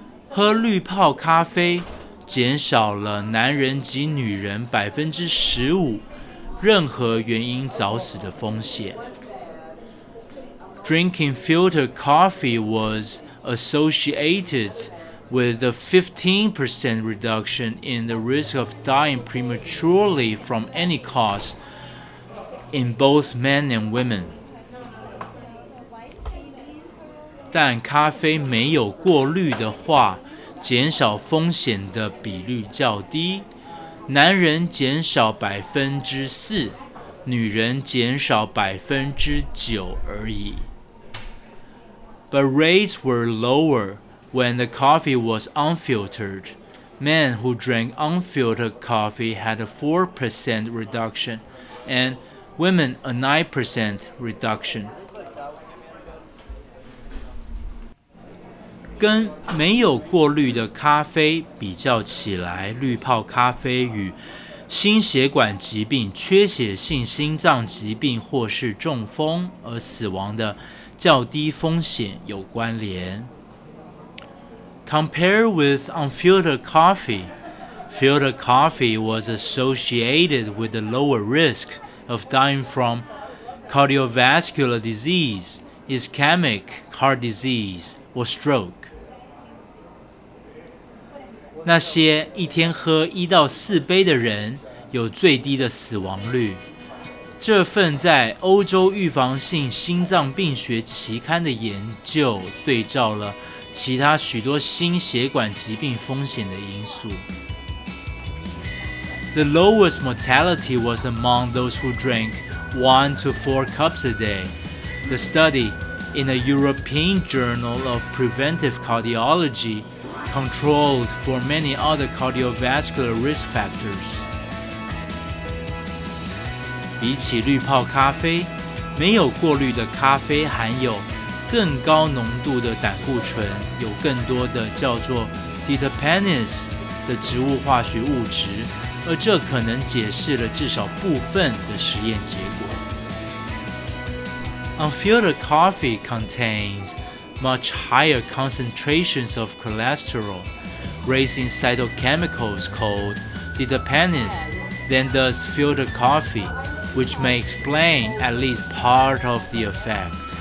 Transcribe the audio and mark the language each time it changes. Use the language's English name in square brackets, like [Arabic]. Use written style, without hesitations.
[Chinese] 喝滤泡咖啡减少了男人及女人15%任何原因早死的风险。 [English] Drinking filtered coffee was associated with a 15% reduction in the risk of dying prematurely from any cause in both men and women. [Chinese] 但咖啡没有过滤的话，减少风险的比率较低，男人减少4%，女人减少9%而已。 [English] But rates were lower when the coffee was unfiltered. Men who drank unfiltered coffee had a 4% reduction, and women a 9% reduction. [Chinese] 跟没有过滤的咖啡比较起来，滤泡咖啡与心血管疾病、缺血性心脏疾病或是中风而死亡的较低风险有关联。 [English] Compared with unfiltered coffee, filtered coffee was associated with a lower risk of dying from cardiovascular disease, ischemic heart disease, or stroke. [Chinese] 那些一天喝一到四杯的人有最低的死亡率。这份在欧洲预防性心脏病学期刊的研究对照了其他许多心血管疾病风险的因素。 [English] The lowest mortality was among those who drank 1 to 4 cups a day. The study in a European Journal of Preventive Cardiology controlled for many other cardiovascular risk factors. [Chinese] 比起滤泡咖啡，没有过滤的咖啡含有更高浓度的胆固醇，有更多的叫做 diterpenes 的植物化学物质，而这可能解释了至少部分的实验结果。 [English] Unfiltered coffee contains much higher concentrations of cholesterol, raising cytochemicals called diterpenes than does filtered coffee, which may explain at least part of the effect.